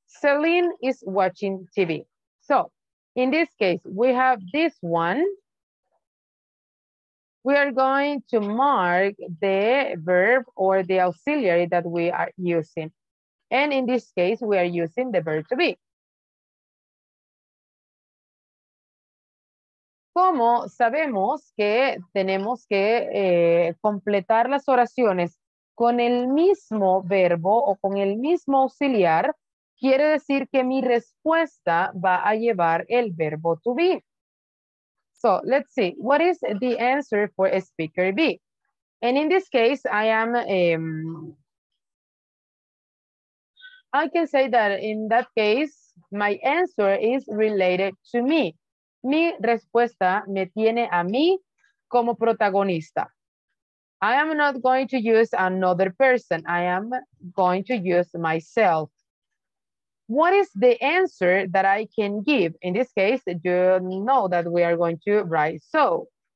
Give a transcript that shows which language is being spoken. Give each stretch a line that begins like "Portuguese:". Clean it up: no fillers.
English: Celine is watching TV. So in this case, we have this one. We are going to mark the verb or the auxiliary that we are using. And in this case, we are using the verb to be.
Spanish: ¿Cómo sabemos que tenemos que completar las oraciones con el mismo verbo o con el mismo auxiliar? Quiere decir que mi respuesta va a llevar el verbo to be.
English: So let's see, what is the answer for speaker B? And in this case, I can say that in that case, my answer is related to me.
Spanish: Mi respuesta me tiene a mí como protagonista.
English: I am not going to use another person. I am going to use myself. What is the answer that I can give? In this case, you know that we are going to write so.